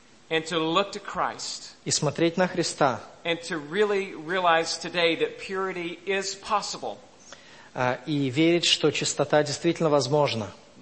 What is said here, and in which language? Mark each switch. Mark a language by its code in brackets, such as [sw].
[en] And to look to Christ. [ru] И смотреть на Христа. [en] And to really realize today that purity is possible. [ru] И верить, что чистота действительно возможна.